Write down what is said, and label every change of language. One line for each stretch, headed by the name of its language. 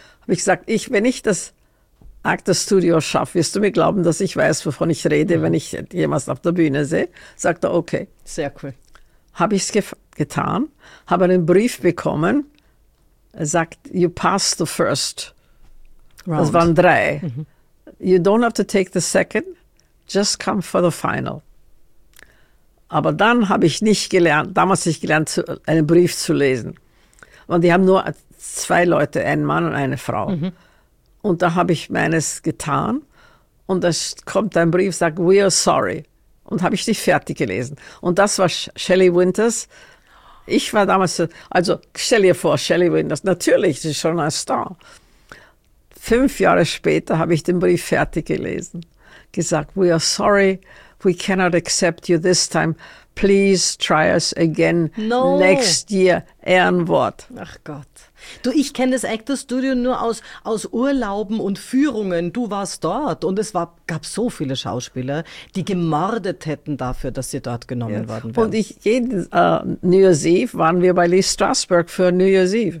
German: Habe ich gesagt, wenn ich das... Actors Studio schafft. Wirst du mir glauben, dass ich weiß, wovon ich rede, wenn ich jemals auf der Bühne sehe? Sagt er, okay. Sehr cool. Habe ich es getan, habe einen Brief bekommen. Er sagt,
English: you passed the first round.
German: Das waren 3. Mhm.
English: You don't have to take the second, just come for the final.
German: Aber dann habe ich nicht gelernt, damals nicht gelernt, einen Brief zu lesen. Und die haben nur 2 Leute, einen Mann und eine Frau. Mhm. Und da habe ich meines getan und da kommt ein Brief, sagt,
English: we are sorry.
German: Und habe ich nicht fertig gelesen. Und das war Shelley Winters. Ich war damals, also stell dir vor, Shelley Winters, natürlich, sie ist schon ein Star. 5 Jahre später habe ich den Brief fertig gelesen. Gesagt,
English: we are sorry, we cannot accept you this time. Please try us again next year.
German: Ehrenwort. Ach Gott. Du, ich kenne das Actors Studio nur aus Urlauben und Führungen. Du warst dort und gab so viele Schauspieler, die gemordet hätten dafür, dass sie dort genommen worden wären. Und ich
English: New Year's Eve
German: waren wir bei Lee Strasberg für New Year's Eve.